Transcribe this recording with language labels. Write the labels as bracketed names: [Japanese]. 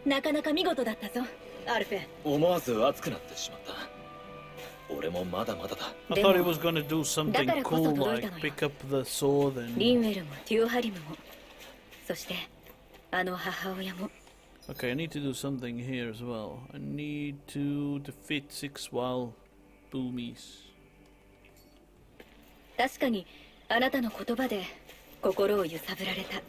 [Japanese] なかなか見事だったぞ、アルフェ。思わず熱くなってしまった。俺もまだまだだ。 [English] I thought he was gonna do something cool, like pick up the sword and. [Japanese] リンウェルもテューハリムも、そしてあの母親も。 [English] Okay, I need to do something here as well. I need to defeat 6 wild boomies. [Japanese] 確かにあなたの言葉で心を揺さぶられた。